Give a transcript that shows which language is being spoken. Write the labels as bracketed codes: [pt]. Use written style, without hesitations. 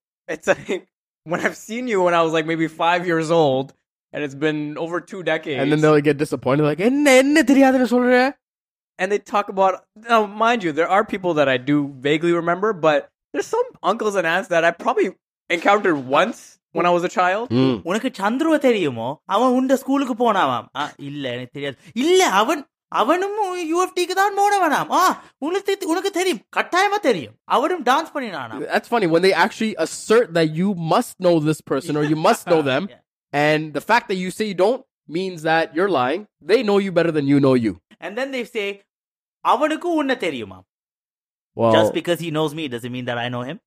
[en] It's like, when I've seen you when I was like maybe 5 years old, and it's been over 2 decades. And then they'll get disappointed, like, [ta] enna theriyadhu solre? [en] And they talk about, now mind you, there are people that I do vaguely remember, but there's some uncles and aunts that I probably encountered once when I was a child. [ta] உனக்கு சந்திரவ தெரியுமோ அவன் உண்ட ஸ்கூலுக்கு போனாவாம் இல்ல எனக்கு தெரியாது இல்ல அவனும் யூஎஃப்டிக்கு தான் போனவனாம் உனக்கு தெரியும் கட்டாயமா தெரியும் அவரும் dance பண்ணினானாம். [en] That's funny when they actually assert that you must know this person or you must know them and the fact that you say you don't means that you're lying. They know you better than you know you. And then they say [ta] அவனுக்கு உன்ன தெரியுமா. [en] Well, just because he knows me doesn't mean that I know him.